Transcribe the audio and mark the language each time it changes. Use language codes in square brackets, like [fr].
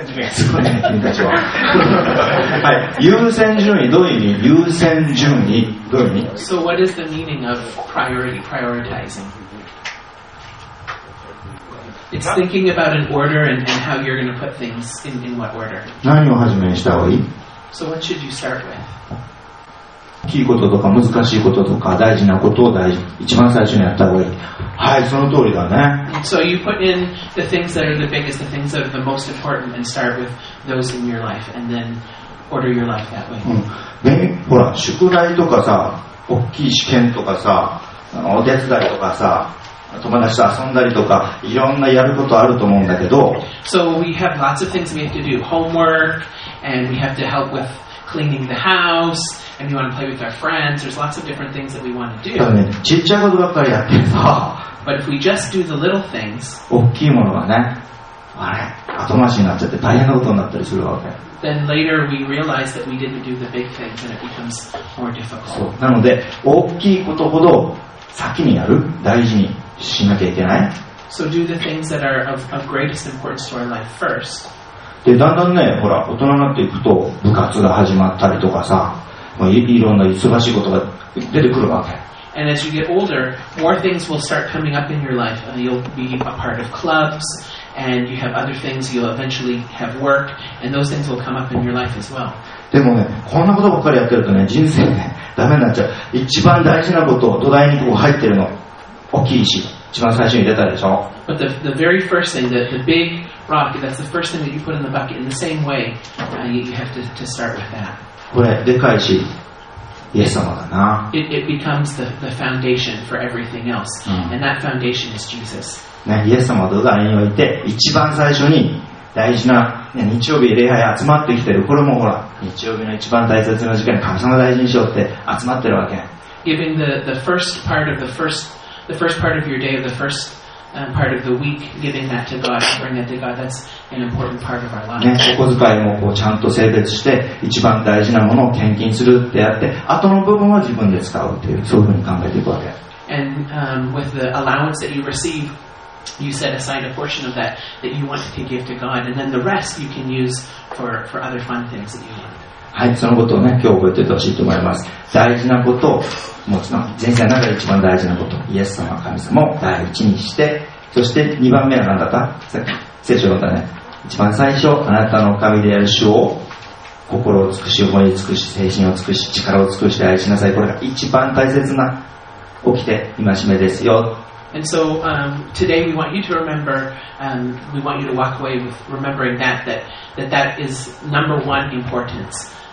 [ja] すごいね、君たちは。はい、優先順位、どういう意味？優先順位、どういう意味 [en] ？So what is the meaning of priority, prioritizing? It's thinking about an order and how you're going to put things in what order. [ja] 何を始めにした方がいい？ [en] So what should you start with? [ja] きいこととか難しいこととか大事なことを大事一番最初にやった方がいい。はい、その通りだね。 [en] So you put in the things that are the biggest, the things that are the most important, and start with those in your life, and then order your life that way. [ja] うん。ね、ほら、宿題とかさ、大きい試験とかさ、お手伝いとかさ、友達と遊んだりとか、いろんなやることあると思うんだけど。 [en] So we have lots of things we have to do. Homework, and we have to help with cleaning the house. And you want to play with our friends. There's lots of different things that we want to do. [ja] ただね、ちっちゃいことばっかりやってるさ。 [en] But if we just do the little things, [ja] 大きいものがね、あれ、後回しになっちゃって大変なことになったりするわけ。 [en] Then later we realize that we didn't do the big things and it becomes more difficult. [ja] そう。なので、大きいことほど先にやる、大事にしなきゃいけない。 [en] So do the things that are of greatest importance to our life first. [ja] で、だんだんね、ほら、大人になっていくと部活が始まったりとかさ。いろんな忙しいことが出てくるわけ。 [en] And as you get older, more things will start coming up in your life. You'll be a part of clubs, and you have other things. You'll eventually have work, and those things will come up in your life as well. [ja] でもね、こんなことばっかりやってるとね、人生ね、ダメになっちゃう。一番大事なこと、土台にこう入ってるの、大きいし、一番最初に出たでしょ。 [en] But the very first thing, the big rock, that's the first thing that you put in the bucket in the same way, you have to start with that. [ja] これでかいし、イエス様だな。 [en] It becomes the foundation for everything else.、うん、And that foundation is Jesus.、 [ja] ね、イエス様と土台において、一番最初に大事な、ね、日曜日礼拝集まってきてる。これもほら、日曜日の一番大切な時間に神様大事にしようって集まってるわけ。 [en] Giving the first part of the first part of your day, the first part of the week, giving that to God, bring that to God, that's... An important part of our life. [ja] ね、お小遣いもこうちゃんと性別して一番大事なものを献金するってやって後の部分は自分で使うっていうそういうふうに考えていくわけ。 [en] And、with the allowance that you receive, you set aside a portion of that that you want to give to God, and then the rest you can use for other fun things that you want. [ja] はい、そのことをね今日覚えててほしいと思います。大事なことをもちろん人生の中で一番大事なことイエス様神様を第一にして、そして二番目は何だった？さっき聖書の方ね、一番最初、あなたの神である主を心を尽くし、思い尽くし、精神を尽くし、力を尽くして愛しなさい。これが一番大切な起きて戒めですよ。 [en] And so, today we want you to remember, we want you to walk away with remembering that, that is number one importance.